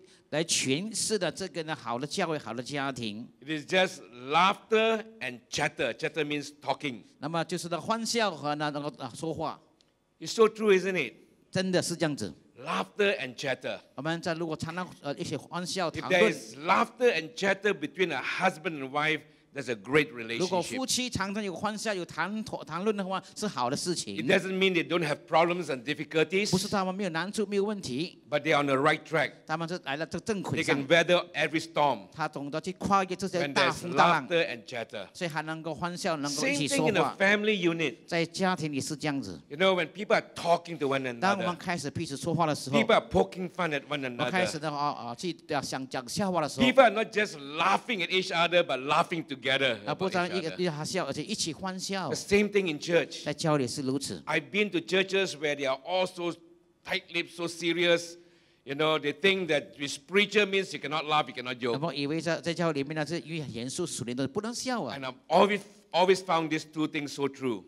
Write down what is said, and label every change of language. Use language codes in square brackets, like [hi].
[zh] 来诠释的这个呢，好的教会，好的家庭。 [en] It is just laughter and chatter. Chatter means talking. [zh] 那么就是那欢笑和那个说话。 [en] It's so true, isn't it? [zh] 真的是这样子。 [en] Laughter and chatter. [zh] 我们在如果常常一些欢笑谈论。 [en] If there is laughter and chatter between a husband and wife, that's a great relationship. [zh] 如果夫妻常常有欢笑有谈论的话，是好的事情。 [en] It doesn't mean they don't have problems and difficulties. [zh] 不是他们没有难处，没有问题。 [en] But they are on the right track. [zh] 他们是来了这个正轨上。 [en] They can weather every storm. [zh] 他懂得去跨越这些大风大浪。 [en] And there's laughter and chatter. [zh] 所以还能够欢笑，能够一起说话。 [en] Same thing in a family unit. [zh] 在家庭也是这样子。 [en] You know, when people are talking to one another. [zh] 当我们开始彼此说话的时候。 [en] People are poking fun at one another. [zh] 开始的话去想讲笑话的时候。 [en] People are not just laughing at each other, but laughing together. [zh] 不单一个欢笑，而且一起欢笑。 [en] The same thing in church. [zh] 在教会也是如此。 [en] I've been to churches where they are all so tight lips, so serious. You know, they think that this preacher means you cannot laugh, you cannot joke. [zh] 那么以为在教会里面呢，是越严肃属灵的不能笑啊。 [en] And I've always found these two things so true.